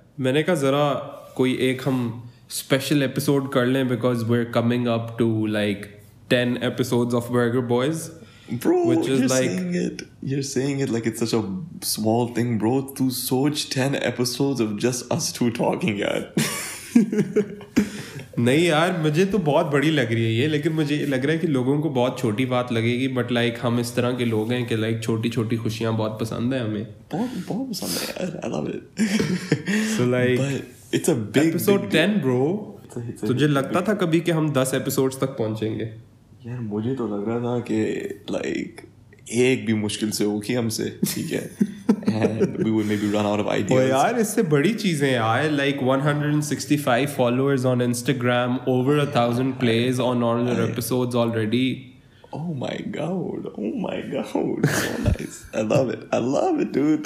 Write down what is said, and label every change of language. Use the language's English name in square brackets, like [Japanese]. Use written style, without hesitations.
[Hindi] मैंने कहा जरा कोई एक हम स्पेशल एपिसोड कर लें [English] Because we're coming up to like 10 episodes of Burger Boys. Bro, you're saying it like it's such a small thing, bro. [Hindi] To soch [English] 10 episodes of just us two talking, yaar. [Hindi] नहीं यार, मुझे तो बहुत बड़ी लग रही है ये, लेकिन मुझे लग रहा है कि लोगों को बहुत छोटी बात लगेगी. बट लाइक हम इस तरह के लोग हैं कि लाइक छोटी छोटी खुशियां बहुत पसंद है हमें. बहुत पसंद है यार, [English] I love it. So like, but it's a big episode 10, bro. [Hindi] तुझे लगता था कभी कि हम 10 एपिसोड्स तक पहुंचेंगे? यार मुझे तो लग रहा था कि लाइक एक भी मुश्किल से होगी हमसे, ठीक है. [English] And we would maybe run out of ideas. [Hindi] Oh, yaar, isse badi cheeze hain yaar. [English] Like 165 followers on Instagram, over 1,000 plays on all your episodes already. Oh my god. So nice. I love it, dude.